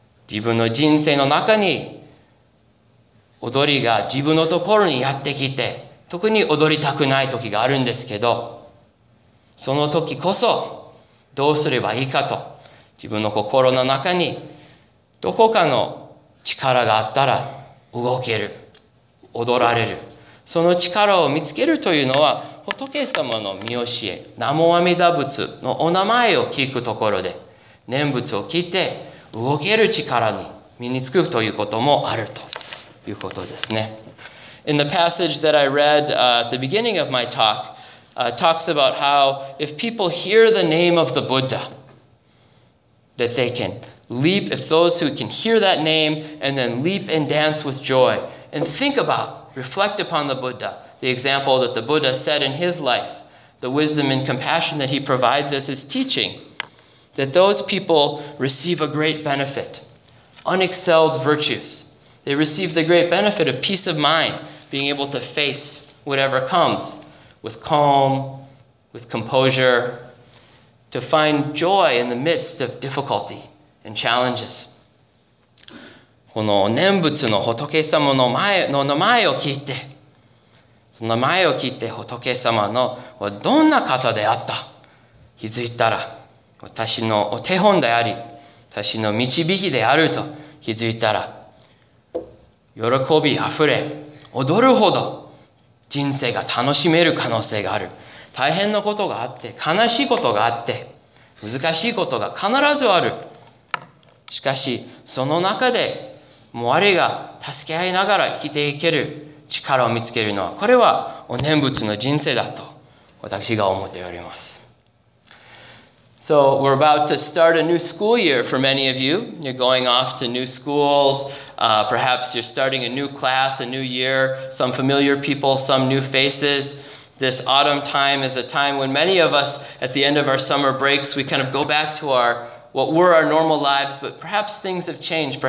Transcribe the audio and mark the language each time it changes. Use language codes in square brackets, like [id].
[ja] 自分の人生の中に踊りが自分のところにやってきて、特に踊りたくない時があるんですけど、その時こそどうすればいいかと、自分の心の中にどこかの力があったら動ける、踊られる。その力を見つけるというのは、仏様の御教え、南無阿弥陀仏のお名前を聞くところで、念仏を聞いて、動ける力に身につくということもあるということですね。 [en] In the passage that I read at the beginning of my talk, talks about how if people hear the name of the Buddha, that they can leap, if those who can hear that name and then leap and dance with joy and think about, reflect upon the Buddha, the example that the Buddha set in his life, the wisdom and compassion that he provides as his teaching, that those people receive a great benefit, unexcelled virtues. They receive the great benefit of peace of mind, being able to face whatever comes with calm, with composure, to find joy in the midst of difficulty and challenges. [ja] この念仏の仏様の前の名前を聞いて、その名前を聞いて仏様のどんな方であった、気づいたら、私のお手本であり、私の導きであると気づいたら、喜びあふれ、踊るほど人生が楽しめる可能性がある。大変なことがあって、悲しいことがあって、難しいことが必ずある。しかし、その中でもう我が助け合いながら生きていける力を見つけるのは、これはお念仏の人生だと私が思っております。 [en] So we're about to start a new school year for many of you. You're going off to new schools. Perhaps you're starting a new class, a new year. Some familiar people, some new faces. This autumn time is a time when many of us, at the end of our summer breaks, we kind of go back to what were our normal lives, but perhaps things have changed.